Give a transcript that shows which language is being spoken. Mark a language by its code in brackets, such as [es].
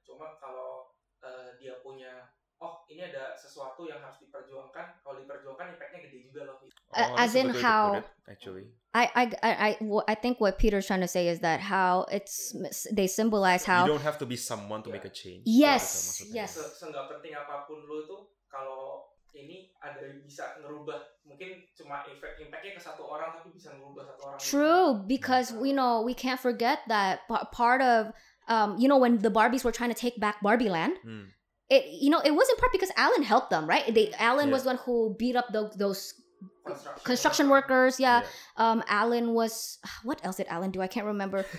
[id] Cuma kalau dia punya, ini ada sesuatu yang harus diperjuangkan. Kalau diperjuangkan, impact-nya gede juga loh. [en] As in how it, actually, I think what Peter's trying to say is that how it's they symbolize how you don't have to be someone to make a change. Yes. [id] Seenggak penting apapun lu tuh, kalau ini ada bisa ngerubah. Mungkin cuma impact-nya ke satu orang, tapi bisa ngerubah satu orang. [en] True, because we can't forget that part of. You know, when the Barbies were trying to take back Barbie Land, it was in part because Alan helped them, right? Alan was the one who beat up those construction workers. Yeah. Yeah. Alan was, what else did Alan do? I can't remember.